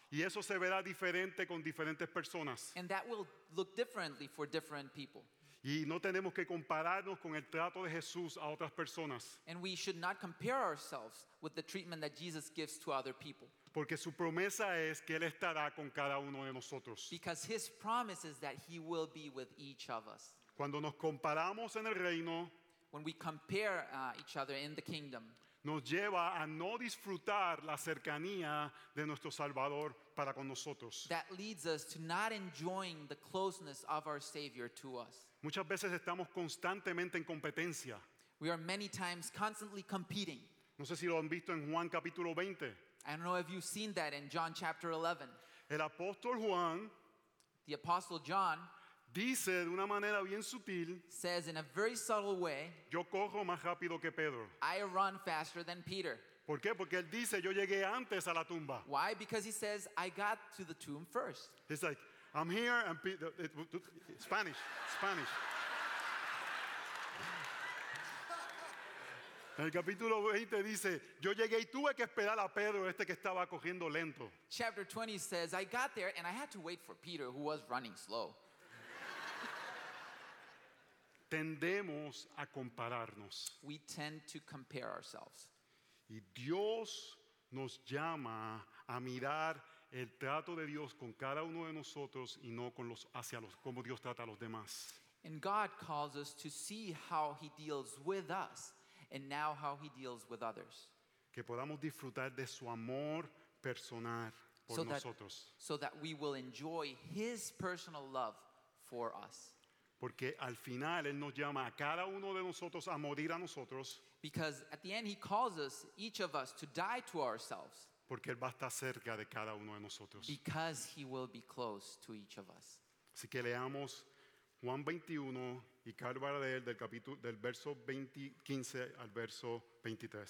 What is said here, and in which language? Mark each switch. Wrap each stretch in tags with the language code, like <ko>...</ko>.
<es>Y eso se verá diferente con diferentes personas.</es> <en>And that will look differently for different people.</en> <es>Y no tenemos que compararnos con el trato de Jesús a otras personas.</es> <en>And we should not compare ourselves with the treatment that Jesus gives to other people.</en> <es>Porque su promesa es que Él estará con cada uno de nosotros.</es> <en>Because his promise is that he will be with each of us.</en> <es>Cuando nos comparamos en el reino,</es> <en>when we compare each other in the kingdom,</en> <es>nos lleva a no disfrutar la cercanía de nuestro Salvador para con nosotros.</es> <en>That leads us to not enjoying the closeness of our Savior to us.</en> <es>Muchas veces estamos constantemente en competencia.</es> <en>We are many times constantly competing.</en> <es>No sé si lo han visto en Juan capítulo 20.</es> <en>I don't know if you've seen that in John chapter 11.</en> <es>El apóstol Juan,</es> <en>the apostle John,</en> <es>dice de una manera bien sutil,</es> <en>says in a very subtle way,</en> <es>yo corro más rápido que Pedro.</es> <en>I run faster than Peter.</en> <es>¿Por qué? Porque él dice, yo llegué antes a la tumba.</es> <en>Why? Because he says, I got to the tomb first. He's like, I'm here and Peter, Spanish.</en> <es>En el capítulo 20 dice, yo llegué y tuve que esperar a Pedro, este que estaba corriendo lento.</es> <en>Chapter 20 says, I got there and I had to wait for Peter, who was running slow.</en> <es>Tendemos a compararnos.</es> <en>We tend to compare ourselves.</en> <es>Y Dios nos llama a mirar el trato de Dios con cada uno de nosotros y no con los hacia los como Dios trata a los demás.</es> <en>And God calls us to see how he deals with us and now how he deals with others.</en> <es>Que podamos disfrutar de su amor personal por nosotros.</es> <en>So that we will enjoy his personal love for us.</en> <es>Porque al final Él nos llama a cada uno de nosotros a morir a nosotros.</es> <en>Because at the end He calls us, each of us, to die to ourselves.</en> <es>Porque Él va a estar cerca de cada uno de nosotros.</es> <en>Because He will be close to each of us.</en> <es>Así que leamos Juan 21 y Carvara de Él del capítulo, del verso 20, 15 al verso 23.</es>